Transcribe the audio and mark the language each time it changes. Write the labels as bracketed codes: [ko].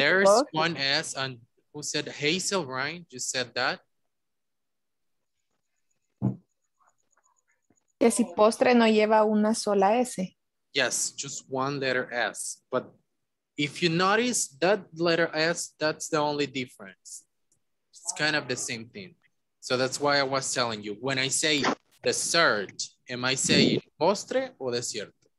[en] There is one S, and who said Hazel, right? You said that. [es] Que si postre no lleva una sola S. [en] Yes, just one letter S. But if you notice that letter S, that's the only difference. It's kind of the same thing. So that's why I was telling you, when I say dessert, am I saying [es] postre o desierto?